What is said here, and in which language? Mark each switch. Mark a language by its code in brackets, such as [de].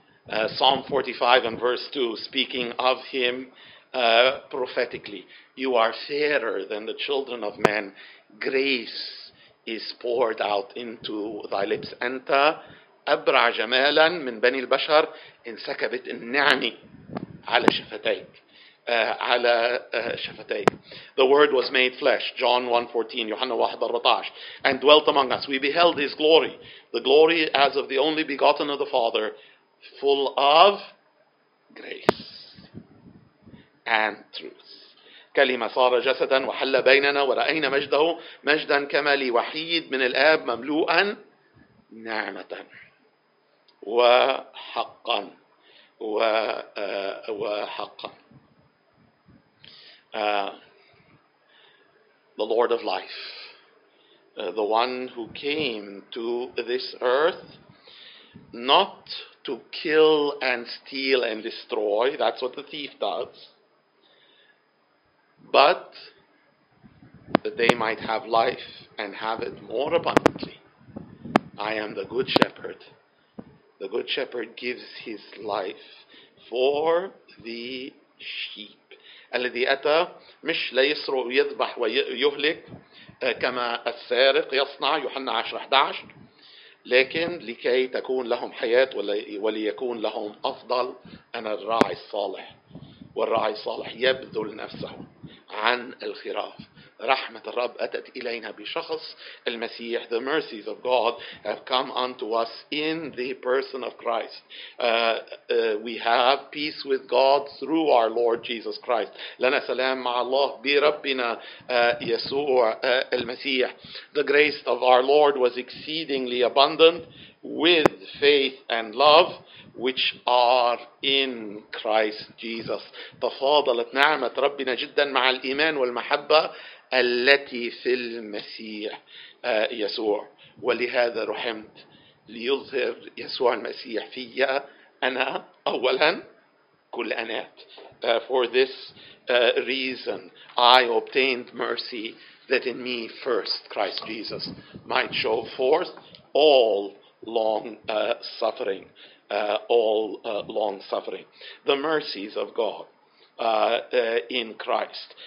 [en] Psalm 45 and verse 2, speaking of him prophetically, you are fairer than the children of men, grace is poured out into thy lips. [ar] أنت أبرع جمالا من بني البشر, انسكبت النعمة على شفتيك, على شفتيك. [en] The word was made flesh, John 1:14, Johannes 1:14, and dwelt among us. We beheld his glory, the glory as of the only begotten of the Father, full of grace and truth. [ar] كلمة صار جسدا وحل بيننا ورأينا مجده, مجدا كما لوحيد من الآب مملوءا نعمة وحقا. [en] The Lord of life, the one who came to this earth not to kill and steal and destroy, that's what the thief does, but that they might have life and have it more abundantly. I am the good shepherd. The good shepherd gives his life for the sheep. [ar] الذي أتى مش ليسرق ويذبح ويهلك كما السارق يصنع, يوحنا 10:11, لكن لكي تكون لهم حياة وليكون لهم أفضل. أنا الراعي الصالح, والراعي الصالح يبذل نفسه عن الخراف. رحمة الرب أتت إلينا بشخص المسيح. [en] The mercies of God have come unto us in the person of Christ. We have peace with God through our Lord Jesus Christ. [ar] لنا سلام مع الله بربنا يسوع المسيح. [en] The grace of our Lord was exceedingly abundant with faith and love which are in Christ Jesus. [ar] تفاضلت نعمة ربنا جدا مع الإيمان والمحبة التي في المسيح يسوع. ولهذا رحمت ليظهر يسوع المسيح فيا أنا أولا كل أنات. [en] For this reason I obtained mercy that in me first, Christ Jesus, might show forth all long-suffering, long-suffering, the mercies of God in Christ.